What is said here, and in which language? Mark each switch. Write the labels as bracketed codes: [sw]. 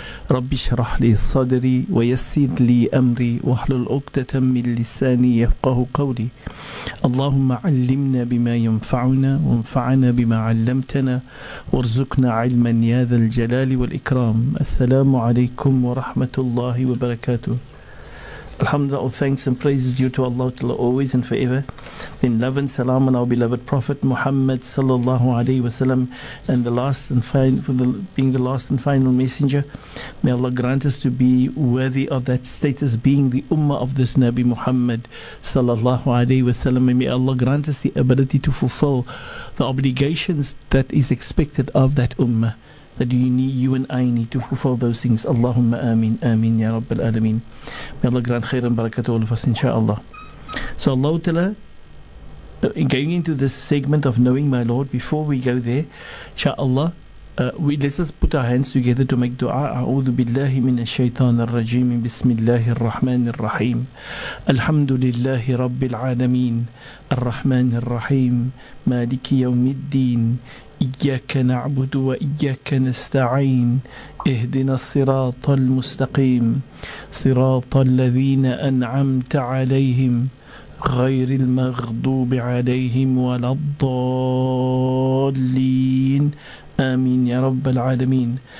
[ar] رب اشرح لي صدري ويسر لي امري واحلل عقدة من لساني يفقهوا قولي اللهم علمنا بما ينفعنا وانفعنا بما علمتنا وارزقنا علما يا ذا الجلال والاكرام السلام عليكم ورحمه الله وبركاته. [en] Alhamdulillah, all thanks and praises due to Allah till always and forever. In love and salam on our beloved Prophet Muhammad sallallahu alayhi wa sallam, and the last and final, for the being the last and final messenger. May Allah grant us to be worthy of that status, being the ummah of this Nabi Muhammad sallallahu alayhi wa sallam. And may Allah grant us the ability to fulfill the obligations that is expected of that ummah, that you and I need to fulfill those things. Allahumma ameen, ameen, ya Rabbil Alameen. May Allah grant khair and barakat all of us, inshaAllah. So Allah Ta'ala, going into this segment of Knowing My Lord, before we go there, inshaAllah, let's just put our hands together to make dua. [ar] A'udhu billahi min ash-shaytan ar-rajim, bismillahir rahmanir rahim. Alhamdulillahi Rabbil Alameen, ar-rahmanir rahim, maliki yawmiddin, إياك نعبد وإياك نستعين اهدنا الصراط المستقيم صراط الذين أنعمت عليهم غير المغضوب عليهم ولا الضالين آمين يا رب العالمين.